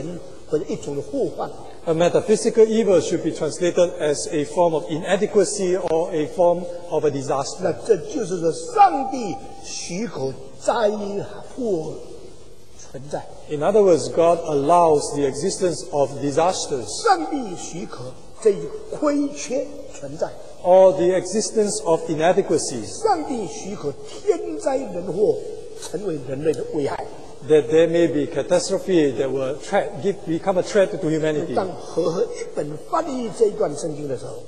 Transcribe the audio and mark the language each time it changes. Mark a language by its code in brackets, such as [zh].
[zh] 所以形上的恶应当翻译成一种亏缺，一种这个不全，或者一种的祸患。 [en] A metaphysical evil should be translated as a form of inadequacy or a form of a disaster. [zh] 那这就是说，上帝许可灾祸存在。 [en] In other words, God allows the existence of disasters. [zh] 上帝许可这一亏缺存在。 [en] Or the existence of inadequacies. [zh] 上帝许可天灾人祸成为人类的危害。 [en] That there may be catastrophe that will become a threat to humanity. [zh] 当和合一本翻译这一段圣经的时候,